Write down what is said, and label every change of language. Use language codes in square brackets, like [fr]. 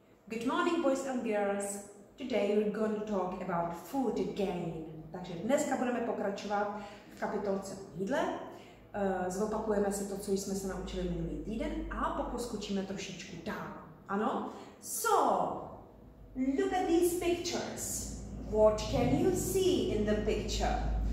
[en] Good morning, boys and girls. Today we're going to talk about food again. [cs] Takže dneska budeme pokračovat v kapitolce o jídle. Zopakujeme si to, co jsme se naučili minulý týden a poskočíme trošičku dál. Ano? [en] So, look at these pictures. What can you see in the picture?